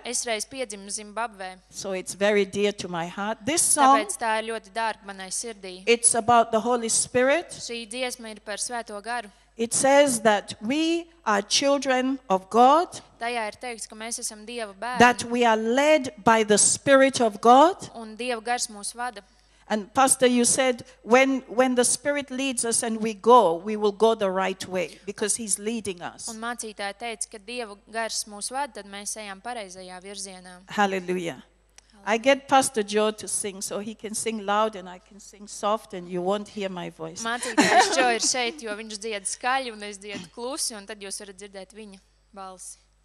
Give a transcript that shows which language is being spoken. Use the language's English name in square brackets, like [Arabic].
[Latvian] Es reiz piedzimu Zimbabvē. [English] So it's very dear to my heart. This song. [Latvian] Tāpēc tā ir ļoti dārga manai sirdī. [English] It's about the Holy Spirit. [Latvian] Šī dziesma ir par Svēto Garu. [English] It says that we are children of God. [Latvian] Tajā ir teikts, ka mēs esam Dieva bērni. [English] That we are led by the Spirit of God. [Latvian] Un Dieva Gars mūs vada. [English] And pastor, you said when the spirit leads us and we go, we will go the right way because he's leading us. Un mācītāja teica, kad Dieva gars mūs vada, tad mēs ejam pareizajā virzienā. Hallelujah. I get Pastor Joe to sing, so he can sing loud and I can sing soft and you won't hear my voice. [Latvian] Mācītājs Joe ir šeit, jo viņš dzied skaļi un es dzied klusi, un tad jūs varat dzirdēt viņa balsi.